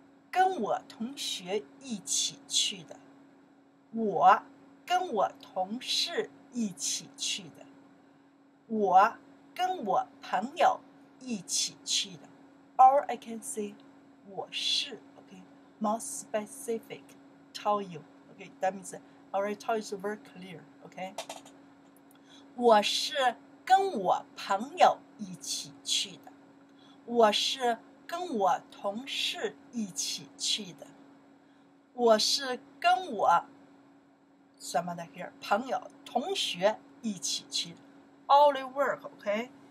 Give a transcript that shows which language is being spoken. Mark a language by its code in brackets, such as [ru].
[zh] 跟我同学一起去的，我跟我同事一起去的，我跟我朋友一起去的。 [en] Or I can say [zh] 我是 [en] OK, more specific. Tell you OK, that means I already told you very clear. [zh] OK, 我是跟我朋友一起去的，我是。跟我同事一起去的，我是跟我 [en] somebody here, [zh] 朋友、同学一起去 [en] all the work, okay?